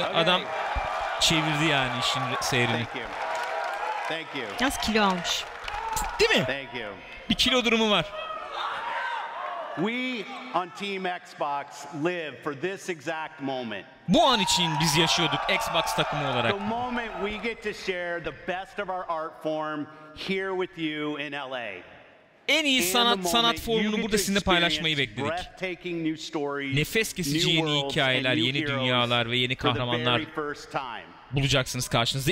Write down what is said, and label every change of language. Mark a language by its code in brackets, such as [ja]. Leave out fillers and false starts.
[tr] Okay. Adam çevirdi yani işin seyrini. Yaz kilo almış. Değil mi? [en] Thank you. [tr] Bir kilo durumu var. [en] We on Team Xbox live for this exact moment. [tr] Bu an için biz yaşıyorduk Xbox takımı olarak. [en] The moment we get to share the best of our art form here with you in LA. [tr] En iyi sanat formunu burada sizinle paylaşmayı bekledik. Nefes kesici yeni hikayeler, yeni dünyalar ve yeni kahramanlar bulacaksınız karşınızda.